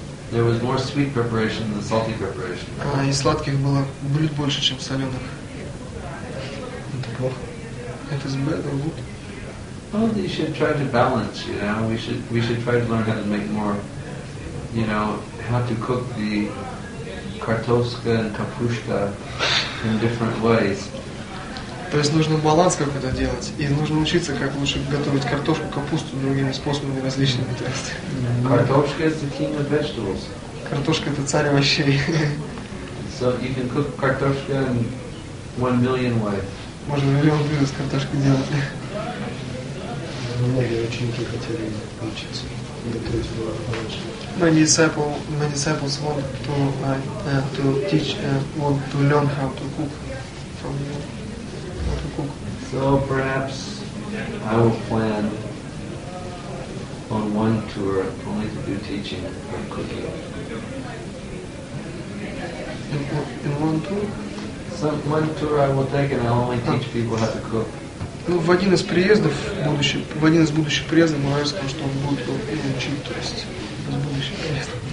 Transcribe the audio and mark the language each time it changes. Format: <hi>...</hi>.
<en>There was more sweet preparation than salty preparation.</en> <ru>И сладких было блюд больше, чем соленых. Это плохо.</ru> <en>It is bad or good? Well, you should try to balance, you know. We should try to learn how to make more, you know, how to cook the kartoshka and kapushka in different ways.</en> <ru>То есть нужно баланс какой-то делать, и нужно учиться, как лучше готовить картошку, капусту другими способами, различными. Картошка – это</ru> <en>king of vegetables.</en> <ru>Картошка – это царь овощей.</ru> <en>So you can cook картошка in 1 million ways.</en> <ru>Можно миллион блюд с картошкой делать. Многие ученики хотели учиться, готовить было овощи.</ru> <en>My disciples want to learn how to cook from you. So perhaps I will plan on one tour only to do teaching and cooking. In one tour? One tour I will take and I'll only teach people how to cook.</en> <ru>Ну, в один из приездов в будущих приездов мы расскажем, что он будет учить, то есть в будущем приезду.</ru>